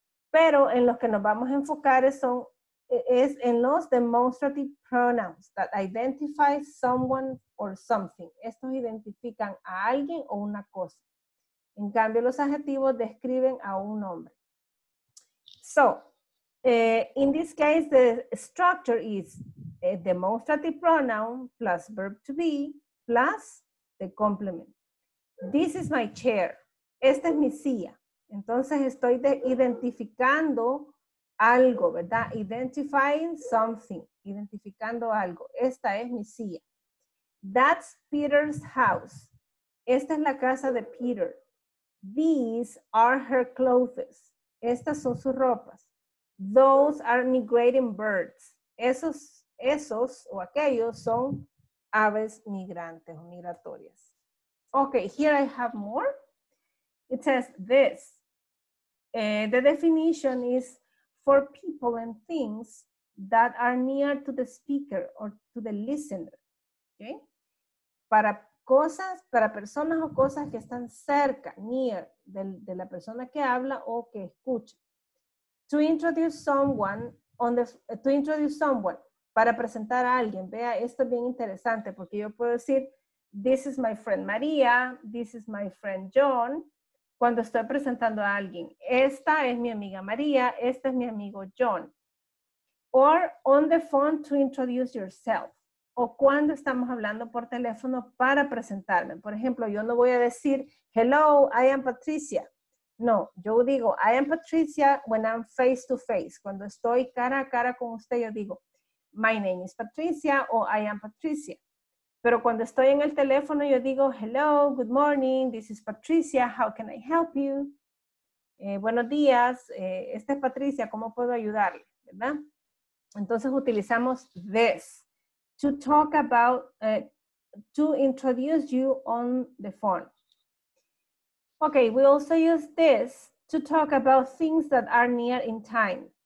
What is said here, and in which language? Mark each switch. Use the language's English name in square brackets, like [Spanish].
[Spanish] Pero en los que nos vamos a enfocar es en los [English] demonstrative pronouns that identify someone or something. [Spanish] Estos identifican a alguien o una cosa. En cambio, los adjetivos describen a un hombre. [English] So, in this case, the structure is a demonstrative pronoun plus verb to be plus the complement. This is my chair. [Spanish] Esta es mi silla. Entonces, estoy identificando algo, ¿verdad? [English] Identifying something. [Spanish] Identificando algo. Esta es mi silla. [English] That's Peter's house. [Spanish] Esta es la casa de Peter. [English] These are her clothes. [Spanish] Estas son sus ropas. [English] Those are migrating birds. [Spanish] Esos o aquellos son aves migrantes o migratorias. [English] Okay, here I have more. It says this. The definition is for people and things that are near to the speaker or to the listener. Okay? [Spanish] Para personas o cosas que están cerca, near, de la persona que habla o que escucha. [English] To introduce someone, [Spanish] para presentar a alguien. Vea, esto es bien interesante porque yo puedo decir, [English] this is my friend María, this is my friend John, [Spanish] cuando estoy presentando a alguien. Esta es mi amiga María, este es mi amigo John. [English] or on the phone to introduce yourself. [Spanish] O cuando estamos hablando por teléfono para presentarme. Por ejemplo, yo no voy a decir, [English] hello, I am Patricia. [Spanish] No, yo digo, [English] I am Patricia when I'm face to face. [Spanish] Cuando estoy cara a cara con usted, yo digo, [English] my name is Patricia [Spanish] o [English] I am Patricia. [Spanish] Pero cuando estoy en el teléfono, yo digo, [English] hello, good morning, this is Patricia, how can I help you? [Spanish] Buenos días, esta es Patricia, ¿cómo puedo ayudarle? ¿Verdad? Entonces utilizamos [English] this to talk about, to introduce you on the phone. Okay, we also use this to talk about things that are near in time.